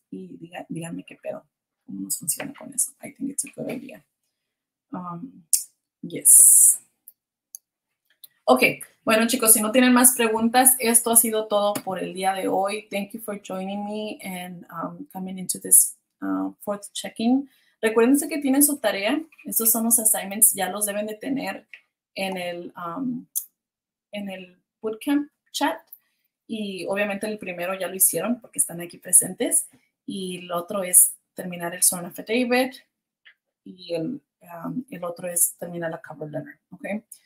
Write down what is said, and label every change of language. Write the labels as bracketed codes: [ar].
[es] Y díganme qué pedo, cómo nos funciona con eso. [en] I think it's a good idea. Yes. [es] Okay, bueno, chicos, si no tienen más preguntas, esto ha sido todo por el día de hoy. [en] Thank you for joining me and coming into this fourth check-in. [es] Recuérdense que tienen su tarea. Estos son los assignments. Ya los deben de tener en el bootcamp chat. Y obviamente el primero ya lo hicieron porque están aquí presentes. Y el otro es terminar el sworn affidavit. Y el otro es terminar la cover letter. Okay.